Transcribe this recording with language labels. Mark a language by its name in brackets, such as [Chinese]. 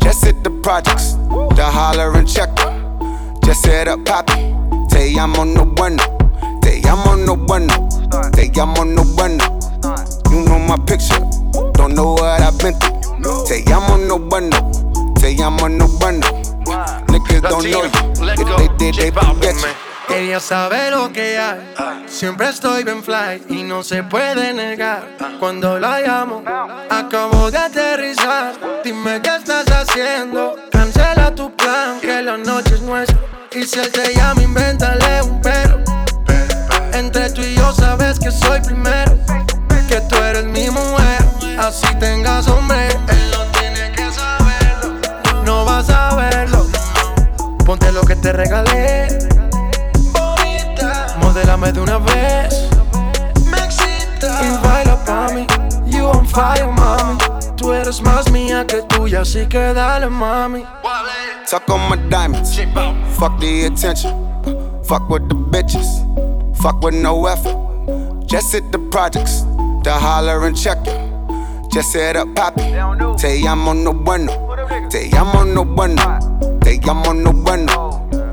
[English] Just hit the projects, the holler and check. Just set up poppy, say I'm on the bueno. Say I'm on the bueno, say I'm on the bueno. You know my picture, don't know what I've been through. Say I'm on the bueno, say I'm on the bueno. Niggas don't know you, if they forget you. [Spanish] Ella sabe lo que hay, siempre estoy bien fly. Y no se puede negar, cuando la llamo. Acabo de aterrizar, dime qué estás haciendo. Cancela tu plan, que la noche es nuestra. Y si él te llama, invéntale un pero. Entre tú y yo sabes que soy primero. Que tú eres mi mujer, así tengas hombre. Él no tiene que saberlo, no vas a verlo. Ponte lo que te regalé. Modélame de una vez, me excita. Y baila pa' mí, [English] you on fire, [Spanish] mami. Tú eres más mía que tuya, así que dale, mami. [English] Tuck on my diamonds, fuck the attention. Fuck with the bitches, fuck with no effort. Just hit the projects, the holler and check it. Just set up poppy, say I'm on the bueno. Say I'm on the bueno, say I'm on the bueno.